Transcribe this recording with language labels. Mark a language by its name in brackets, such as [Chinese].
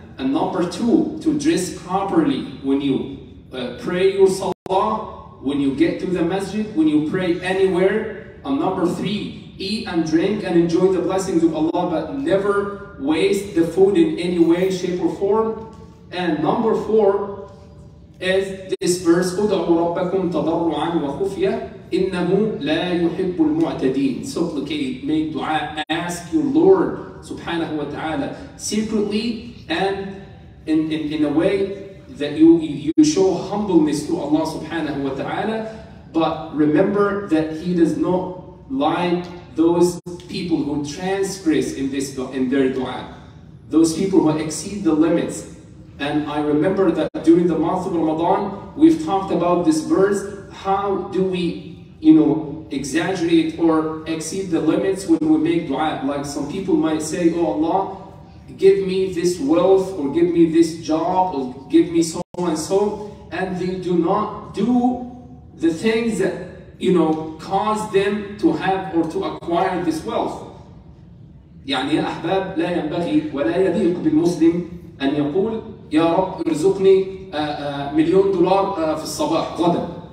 [English] And number two, to dress properly when you pray your salah, when you get to the masjid, when you pray anywhere. And number three, eat and drink and enjoy the blessings of Allah, but never waste the food in any way, shape or form. And number four is this verse, [Arabic] اُدْعُوا رَبَّكُمْ تَضَرُّعًا وَخُفْيَةً إِنَّهُ لَا يُحِبُّ الْمُعْتَدِينَ. [English] Supplicate, make dua, ask your Lord subhanahu wa ta'ala secretly, and in a way that you show humbleness to Allah subhanahu wa ta'ala. But remember that He does not like those people who transgress in their dua, those people who exceed the limits. And I remember that during the month of Ramadan, we've talked about this verse. How do we, you know, exaggerate or exceed the limits when we make dua? Like some people might say, oh Allah, give me this wealth, or give me this job, or give me so and so, and they do not do the things that, you know, cause them to have or to acquire this wealth. [Arabic] يعني يا أحباب لا ينبغي ولا يليق بالمسلم أن يقول يا رب ارزقني مليون دولار في الصباح غدا.